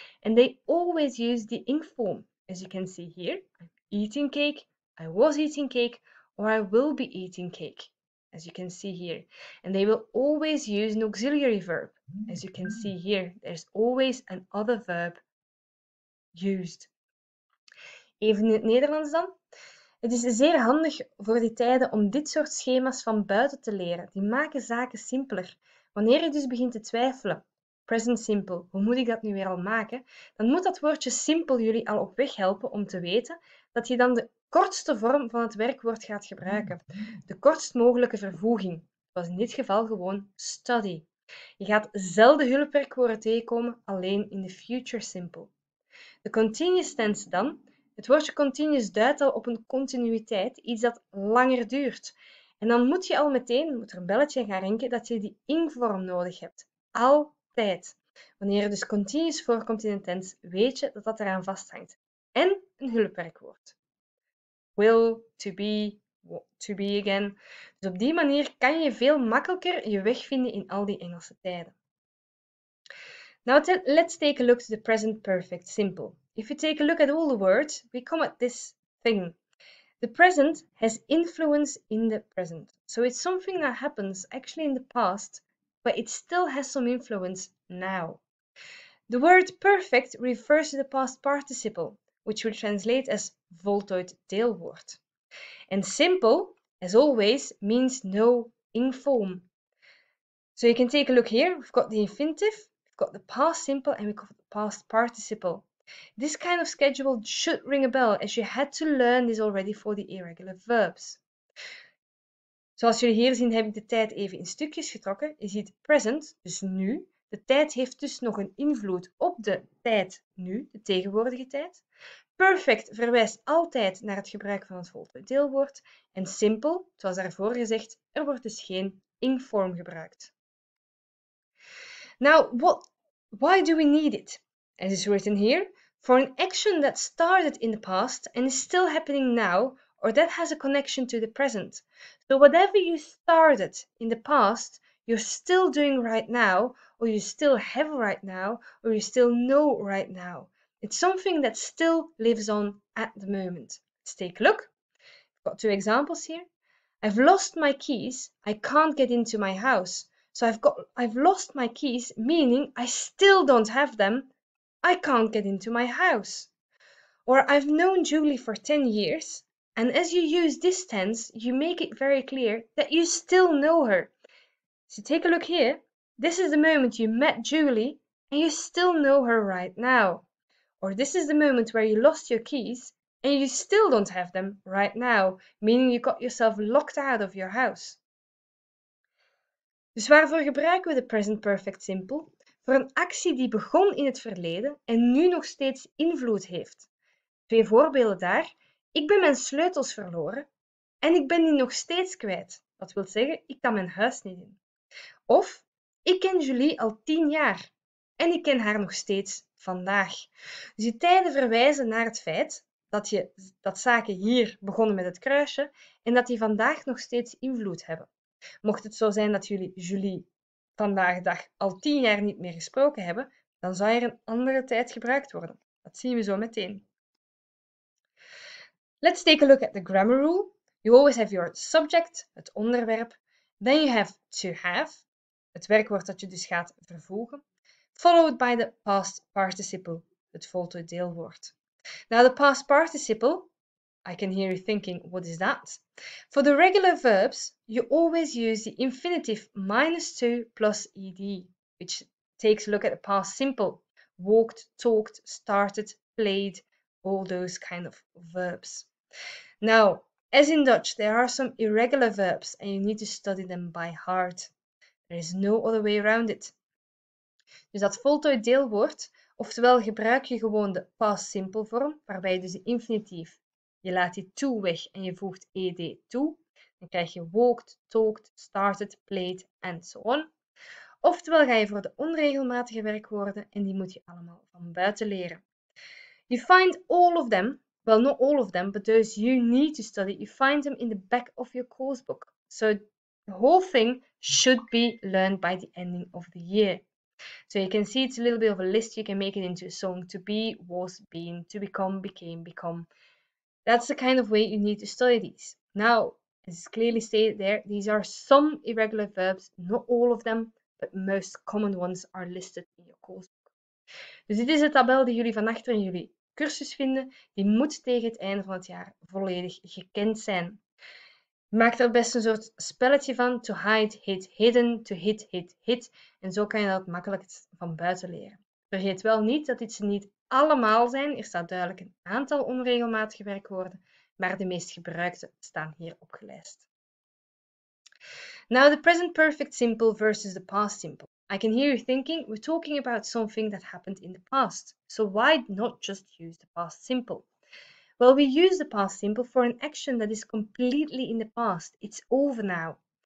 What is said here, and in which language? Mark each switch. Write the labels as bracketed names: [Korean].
[English] And they always use the ing form, as you can see here, eating cake. I was eating cake, or I will be eating cake, as you can see here. And they will always use an auxiliary verb, as you can see here. There's always an other verb used. [Dutch] Even in het Nederlands dan. Het is zeer handig voor die tijden om dit soort schema's van buiten te leren. Die maken zaken simpeler. Wanneer je dus begint te twijfelen, present simple, hoe moet ik dat nu weer al maken? Dan moet dat woordje simple jullie al op weg helpen om te weten dat je dan de kortste vorm van het werkwoord gaat gebruiken. De kortst mogelijke vervoeging. Dat was in dit geval gewoon study. Je gaat zelden hulpwerkwoorden tegenkomen, alleen in de future simple. De continuous tense dan. Het woordje continuous duidt al op een continuïteit, iets dat langer duurt. En dan moet je al meteen, moet er een belletje gaan rinken, dat je die ingvorm nodig hebt. Altijd. Wanneer er dus continuous voorkomt in een tense, weet je dat dat eraan vasthangt. En een hulpwerkwoord. [English] Will, to be again. [Dutch] Dus op die manier kan je veel makkelijker je weg vinden in al die Engelse tijden. [English] Now let's take a look at the present perfect simple. If you take a look at all the words, we come at this thing. The present has influence in the present. So it's something that happens actually in the past, but it still has some influence now. The word perfect refers to the past participle, which we translate as voltooid deelwoord. And simple, as always, means no ing form. So you can take a look here. We've got the infinitive, we've got the past simple, and we've got the past participle. This kind of schedule should ring a bell, as you had to learn this already for the irregular verbs. [Dutch] Zoals jullie hier zien, heb ik de tijd even in stukjes getrokken. Je ziet present, dus nu. De tijd heeft dus nog een invloed op de tijd nu, de tegenwoordige tijd. Perfect verwijst altijd naar het gebruik van het volgende deelwoord. En simple, zoals daarvoor gezegd, er wordt dus geen ing-vorm gebruikt. [English] Now, why do we need it? As is written here, for an action that started in the past and is still happening now, or that has a connection to the present. So whatever you started in the past, you're still doing right now, or you still have right now, or you still know right now. It's something that still lives on at the moment. Let's take a look. I've got two examples here. I've lost my keys. I can't get into my house. So I've lost my keys, meaning I still don't have them. I can't get into my house. Or I've known Julie for 10 years. And as you use this tense, you make it very clear that you still know her. So take a look here. This is the moment you met Julie and you still know her right now. Or this is the moment where you lost your keys and you still don't have them right now, meaning you got yourself locked out of your house. [Dutch] Dus waarvoor gebruiken we de present perfect simple? Voor een actie die begon in het verleden en nu nog steeds invloed heeft. Twee voorbeelden daar. Ik ben mijn sleutels verloren en ik ben die nog steeds kwijt. Dat wil zeggen, ik kan mijn huis niet in. Of, ik ken Julie al 10 jaar en ik ken haar nog steeds vandaag. Dus die tijden verwijzen naar het feit dat zaken hier begonnen met het kruisje en dat die vandaag nog steeds invloed hebben. Mocht het zo zijn dat jullie Julie vandaag de dag al 10 jaar niet meer gesproken hebben, dan zou er een andere tijd gebruikt worden. Dat zien we zo meteen. [English] Let's take a look at the grammar rule. You always have your subject, [Dutch] het onderwerp. [English] Then you have to have, [Dutch] het werkwoord dat je dus gaat vervoegen. [English] Followed by the past participle, [Dutch] het voltooid deelwoord. [English] Now the past participle, I can hear you thinking, what is that? For the regular verbs, you always use the infinitive minus 2 plus ed, which takes a look at the past simple. Walked, talked, started, played, all those kind of verbs. Now, as in Dutch, there are some irregular verbs and you need to study them by heart. There is no other way around it. [Dutch] Dus dat voltooid deelwoord, oftewel gebruik je gewoon de past simple vorm, waarbij je dus de infinitief, je laat die toe weg en je voegt ed toe. Dan krijg je walked, talked, started, played [English] and so on. [Dutch] Oftewel ga je voor de onregelmatige werkwoorden en die moet je allemaal van buiten leren. [English] You find all of them, well, not all of them, but those you need to study, you find them in the back of your course book. So the whole thing should be learned by the ending of the year. So you can see it's a little bit of a list. You can make it into a song. To be, was, been, to become, became, become. That's the kind of way you need to study these. Now, as is clearly stated there, these are some irregular verbs, not all of them, but most common ones are listed in your course book. [Dutch] Dus dit is de tabel die jullie van achter in jullie cursus vinden. Die moet tegen het einde van het jaar volledig gekend zijn. Maak er best een soort spelletje van. [English] To hide, hit, hidden. To hit, hit, hit. [Dutch] En zo kan je dat makkelijk van buiten leren. Vergeet wel niet dat dit ze niet allemaal zijn. Er staat duidelijk een aantal onregelmatige werkwoorden. Maar de meest gebruikte staan hier opgelijst. [English] Now the present perfect simple versus the past simple. I can hear you thinking, we're talking about something that happened in the past. So why not just use the past simple? Well, we use the past simple for an action that is completely in the past. It's over now.